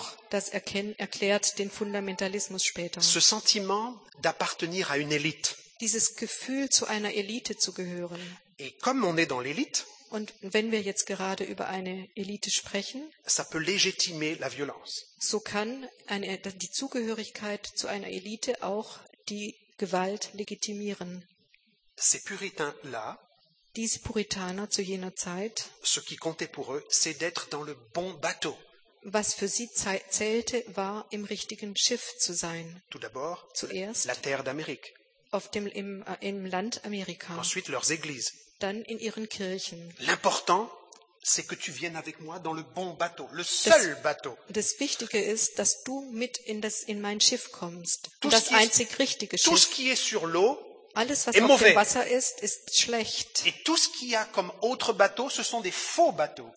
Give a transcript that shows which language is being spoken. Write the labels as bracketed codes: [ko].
[de] Das erklärt den Fundamentalismus später. [fr] Ce sentiment d'appartenir à une élite. [de] Dieses Gefühl, zu einer Elite zu gehören. [fr] Et comme on est dans l'élite, [de] und wenn wir jetzt gerade über eine Elite sprechen, [fr] ça peut légitimer la violence. [de] So kann die Zugehörigkeit zu einer Elite auch die Gewalt legitimieren. [fr] Ces Puritains-là, [de] diese Puritaner zu jener Zeit, [fr] ce qui comptait pour eux, c'est d'être dans le bon bateau. [de] Was für sie zählte, war, im richtigen Schiff zu sein. [fr] Tout d'abord, [de] zuerst [fr] la terre d'Amérique. [de] im Land Amerika. [fr] Ensuite leurs églises. [de] Dann in ihren Kirchen. [fr] L'important, c'est que tu viennes avec moi dans le bon bateau, le seul bateau. [de] Das Wichtige ist, dass du mit in mein Schiff kommst, das einzig richtige Schiff. [fr] Tout ce qui est sur l'eau, [de] alles was auf dem Wasser ist, ist schlecht. [fr] Et tout ce qu'il y a comme autre bateau, ce sont des faux bateaux.